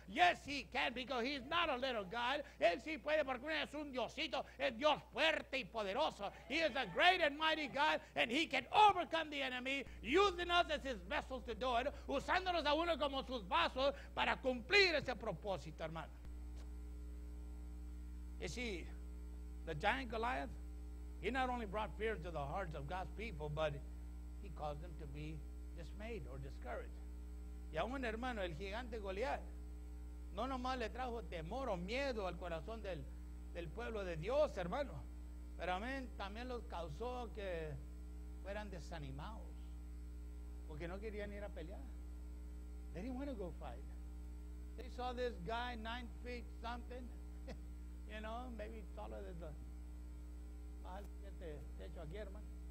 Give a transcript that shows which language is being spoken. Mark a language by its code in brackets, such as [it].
[en] Yes, he can, because he's not a little God. [es] Él sí puede, porque no es un Diosito, es Dios fuerte y poderoso. [en] He is a great and mighty God, and he can overcome the enemy, using us as his vessels to do it, [es] usándonos a uno como sus vasos para cumplir ese propósito, hermano. [en] You see, the giant Goliath, he not only brought fear to the hearts of God's people, but he caused them to be dismayed or discouraged. [es] Y aún, hermano, el gigante Goliat no nomás le trajo temor o miedo al corazón del pueblo de Dios, hermano, pero amén, también los causó que fueran desanimados, porque no querían ir a pelear. [en] They didn't want to go fight. They saw this guy 9 feet something, you know, maybe taller than the [es] techo aquí, hermano.